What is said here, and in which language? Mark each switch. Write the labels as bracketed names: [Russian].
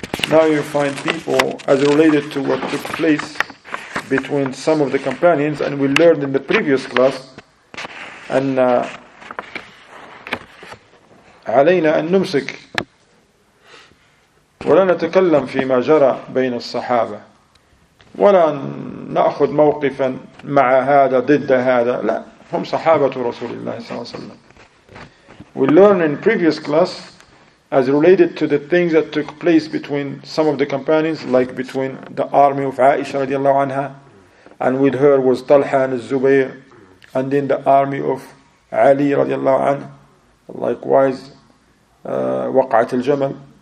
[English] Now you find people, as related to what took place between some of the companions, and we learned in the previous class, [Arabic] علينا أن نمسك ولا نتكلم فيما جرى بين الصحابة ولا نأخذ موقفا مع هذا ضد هذا. لا, هم صحابة رسول الله صلى الله عليه وسلم. [English] We learned in previous class, as related to the things that took place between some of the companions, like between the army of Aisha رضي الله عنها, and with her was Talha and Zubair, and then the army of Ali رضي الله عنه, likewise وقعة الجمل.